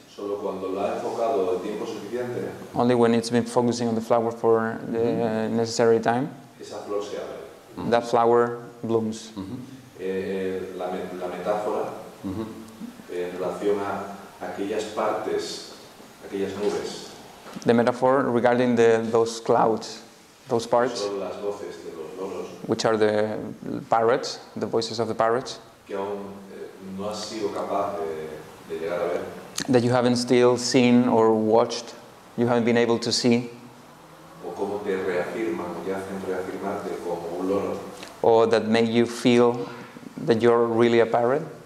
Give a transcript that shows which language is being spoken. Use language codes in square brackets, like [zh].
[es] Solo cuando la ha enfocado el tiempo suficiente. [en] Only when it's been focusing on the flower for the necessary time. [es] Esa flor se abre. [en] That flower blooms. [es] La metáfora en relación a aquellas partes, aquellas nubes. [en] The metaphor regarding those clouds, those parts, [es] son las voces de los loros, [en] which are the parrots, the voices of the parrots, [es] que aún, no has sido capaz de llegar a ver, [en] that you haven't still seen or watched, you haven't been able to see, [es] o cómo te reafirman, o te hacen reafirmarte como un loro, [en] or that make you feel that you're really a parrot.